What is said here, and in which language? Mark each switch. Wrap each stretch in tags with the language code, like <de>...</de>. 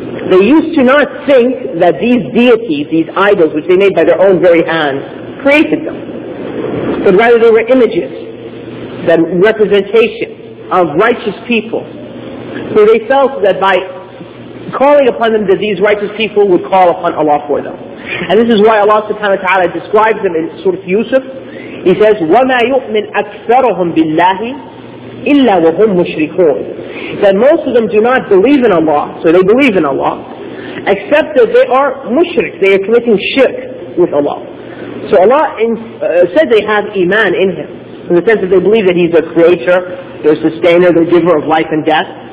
<en>They used to not think that these deities, these idols which they made by their own very hands, created them, but rather they were images, than representations of righteous people. So they felt that by calling upon them, that these righteous people would call upon Allah for them. And this is why Allah subhanahu wa ta'ala describes them in Surah Yusuf. He says,</en> <ar>وَمَا يُؤْمِنْ أَكْثَرُهُمْ بِاللَّهِ إِلَّا وَهُمْ مُشْرِكُونَ.</ar> <en>That most of them do not believe in Allah, so they believe in Allah, except that they are mushrik, they are committing shirk with Allah. So Allah said they have iman in him, in the sense that they believe that he's their creator, their sustainer, their giver of life and death.</en>